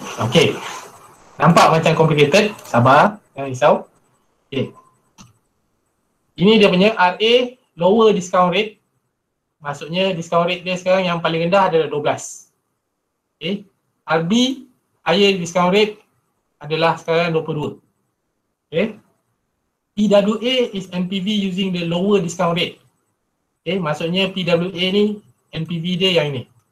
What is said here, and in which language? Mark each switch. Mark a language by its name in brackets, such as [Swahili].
[Malay] Okay, nampak macam complicated, sabar, jangan risau. Okay, ini dia punya RA, lower discount rate. Maksudnya discount rate dia sekarang yang paling rendah adalah 12. Okay, RB, higher discount rate adalah sekarang 22. [English] Okay, PWA is NPV using the lower discount rate. [Malay] Okay, maksudnya PWA ni NPV dia yang ini.